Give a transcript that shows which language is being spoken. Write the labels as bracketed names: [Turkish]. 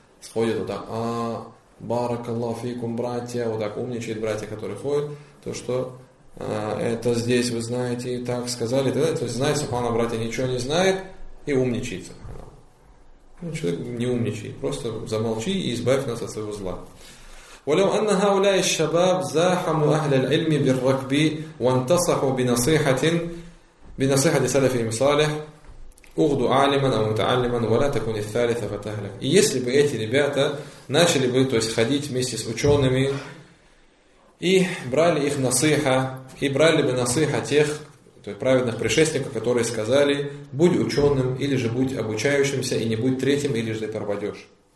[Russian] Сходит вот так, а баракаллаху фикум, братья, вот так умничает братья, которые ходят, то что это здесь, вы знаете, и так сказали, и так далее. То есть знает, субхана, братья, ничего не знает, и умничается. Ну, человек не умничает, просто замолчи и избавь нас от своего зла. [Arabic] ولو أن هؤلاء الشباب زاحموا أهل العلم بالركب وانتصحوا بنصيحة بنصيحة سلف المصالح أغدو عالما أو متعلما ولا تكون الثالثة فتهلك. [Russian] И если бы эти ребята начали бы, то есть ходить вместе с учеными и брали их насиха, и брали бы насиха тех, то есть праведных предшественников, которые сказали: будь ученым или же будь обучающимся, и не будь третьим, или же ты пропадешь.